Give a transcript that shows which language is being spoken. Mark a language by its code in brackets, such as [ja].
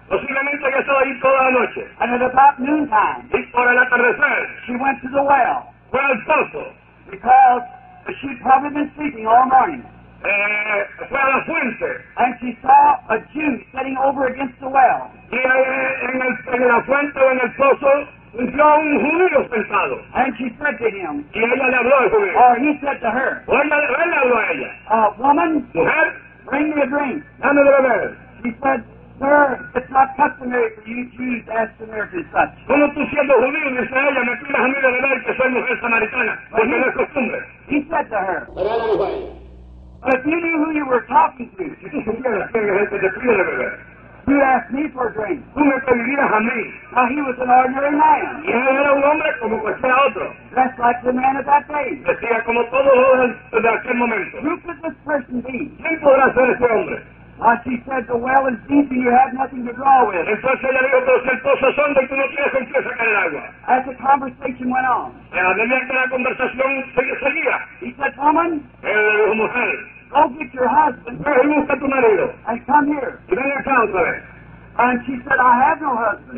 [es] Posiblemente ella estaba ahí toda la noche. [en] And at about noontime. [es] Y por el atardecer. [en] She went to the well. [es] Fue al pozo. [en] Because she had probably been sleeping all morning. [es] Fue a la fuente. [en] And she saw a Jew sitting over against the well. [es] Y en la fuente o en el pozo. Yo un judío sentado. [en] And she said to him. [es] Y ella le habló al judío. [en] Or he said to her. [es] O él le habló a ella. [en] A woman. [es] Mujer. [en] Bring me a drink. [es] Dame de beber. [en] She said, sir, it's not customary for you Jews to ask Samaritans such. [es] ¿Cómo tú siendo judío, dice ella, me pides a mí de beber que soy mujer samaritana? Pues no es costumbre. [en] He said to her. But if you knew who you were talking to, you asked me for a drink. [es] Tú me pedirías a mí. [en] Now he was an ordinary man. [es] Y él era un hombre como cualquier otro. [en] Dressed like the man of that day. [es] Decía como todos los de aquel momento. [en] Who could this person be? [es] ¿Quién podrá ser ese hombre? [en] She said, the well is deep and you have nothing to draw with. [es] Entonces ella dijo, pero si el pozo es hondo y tú no tienes con qué sacar el agua. [en] As the conversation went on. [es] A medida que la conversación seguía. [en] He said, woman. [es] Ella le dijo, mujer. [en] Go get your husband. [es] Ve y busca tu marido. [en] And come here. [es] Y ven acá otra vez. [en] And she said, I have no husband.